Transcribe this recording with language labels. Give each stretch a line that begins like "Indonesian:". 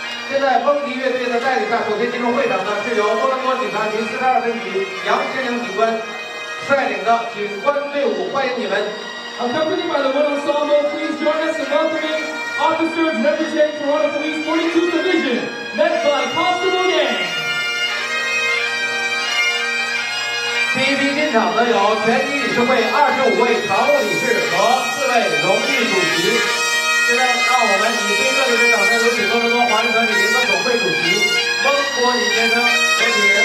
Chinese: 现在风笛乐队的带领下，首先进入会场的是由多伦多警察局42分局杨先生警官率领的警官队伍，欢迎你们。
English: Accompanied by the one ensemble, please join us in welcoming Officer Trevor Chen, Toronto Police 42 Division, led by Constable Yang.
Chinese: 第一批进场的有全体理事会25位常务理事和4位荣誉主席。现在让我们以最热烈的掌声，有请多伦多华人团体联合总会主席翁国礼先生，有请。